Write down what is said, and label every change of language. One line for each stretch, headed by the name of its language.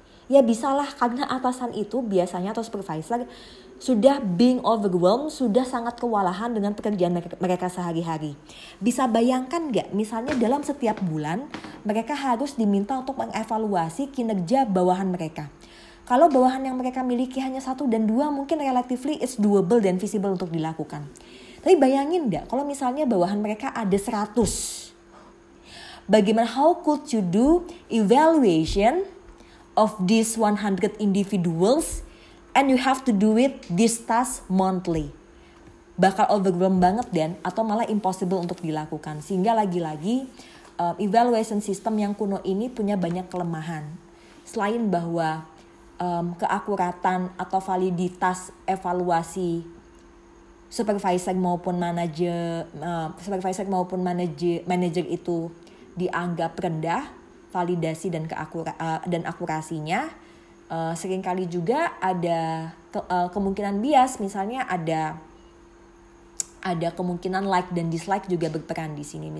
Indonesian: Ya bisalah, karena atasan itu biasanya atau supervisor sudah
English: being overwhelmed,
Indonesian: sudah sangat kewalahan dengan pekerjaan mereka sehari-hari. Bisa bayangkan gak, misalnya dalam setiap bulan mereka harus diminta untuk mengevaluasi kinerja bawahan mereka. Kalau bawahan yang mereka miliki hanya satu dan dua, mungkin
English: relatively it's doable
Indonesian: dan feasible untuk dilakukan. Tapi bayangin gak, kalau misalnya bawahan mereka ada 100. Bagaimana,
English: how could you do evaluation of these 100 individuals and you have to do it this task monthly?
Indonesian: Bakal overwhelm banget dan atau malah impossible untuk dilakukan. Sehingga lagi-lagi evaluation system yang kuno ini punya banyak kelemahan. Selain bahwa keakuratan atau validitas evaluasi supervisor maupun manager itu dianggap rendah validasi dan akurasinya, seringkali juga ada kemungkinan bias, misalnya ada kemungkinan like dan dislike juga berperan di sini.